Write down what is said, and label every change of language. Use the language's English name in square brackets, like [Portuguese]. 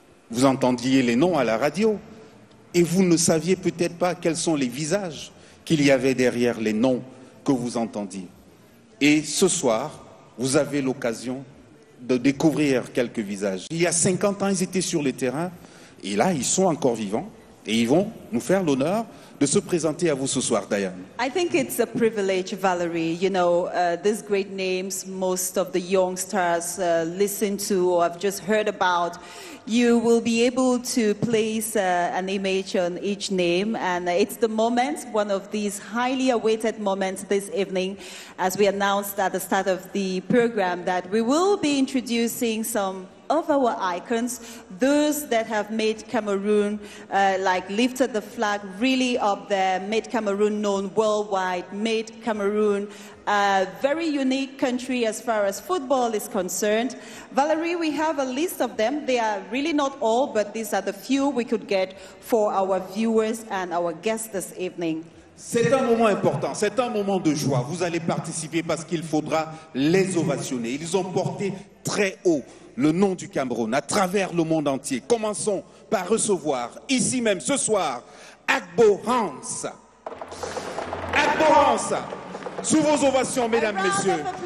[French] Vous entendiez les noms à la radio et vous ne saviez peut-être pas quels sont les visages qu'il y avait derrière les noms que vous entendiez. Et ce soir, vous avez l'occasion de découvrir quelques visages. Il y a 50 ans, ils étaient sur le terrain et là, ils sont encore vivants et ils vont nous faire l'honneur de se présenter à vous ce soir, Diane. [English] I think it's a privilege, Valerie. You know, these great names, most of the youngsters listen to or have just heard about. You will be able to place an image on each name, and it's the moment, one of these highly awaited moments this evening, as we announced at the start of the program that we will be introducing some of our icons, those that have made Cameroon, like lifted the flag really up there, made Cameroon known worldwide, made Cameroon a very unique country as far as football is concerned. Valerie, we have a list of them. They are really not all, but these are the few we could get for our viewers and our guests this evening. [French] C'est un moment important, c'est un moment de joie. Vous allez participer parce qu'il faudra les ovationner. Ils ont porté très haut le nom du Cameroun à travers le monde entier. Commençons par recevoir ici même ce soir Agbo Hans. Agbo Hans, sous vos ovations, mesdames, messieurs.